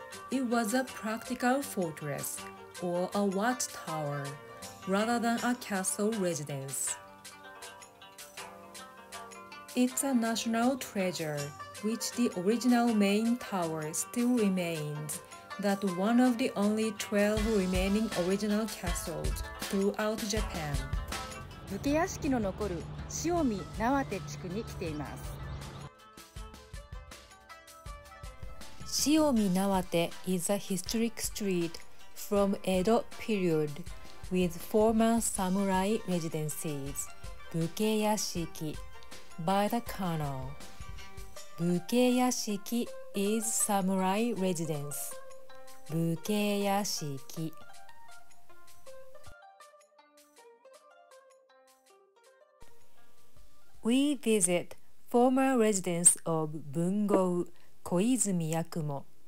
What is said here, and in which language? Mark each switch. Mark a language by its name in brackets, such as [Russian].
[English] It was a practical fortress or a watchtower rather than a castle residence. It's a national treasure which the original main tower still remains, that one of the only 12 remaining original castles throughout Japan. [Japanese] 武家屋敷の残る塩見縄手地区に来ています。 [English] 塩見縄手 is a historic street from Edo period with former samurai residences 武家屋敷 by the canal. 武家屋敷 is samurai residence 武家屋敷We visit former residence of 文豪 Koizumi Yakumo.